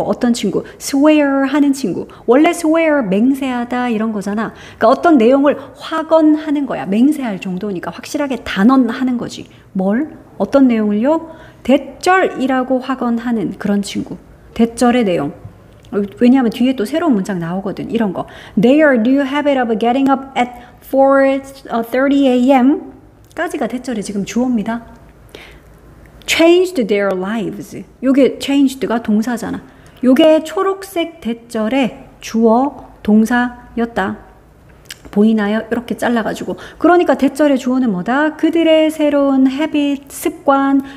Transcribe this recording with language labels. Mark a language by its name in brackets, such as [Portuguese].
[Korean] 어떤 친구? swear 하는 친구. 원래 swear 맹세하다 이런 거잖아. 그러니까 어떤 내용을 확언하는 거야. 맹세할 정도니까 확실하게 단언하는 거지. 뭘? 어떤 내용을요? 대절이라고 확언하는 그런 친구. 대절의 내용. 왜냐하면 뒤에 또 새로운 문장 나오거든. 이런 거. [English] Their new habit of getting up at 4:30 a.m. [Korean] 까지가 대절이 지금 주어입니다. [English] Changed their lives. [Korean] 요게 changed가 동사잖아. 요게 초록색 대절의 주어 동사였다. 보이나요? 이렇게 잘라가지고. 그러니까 대절의 주어는 뭐다? 그들의 새로운 habit, 습관.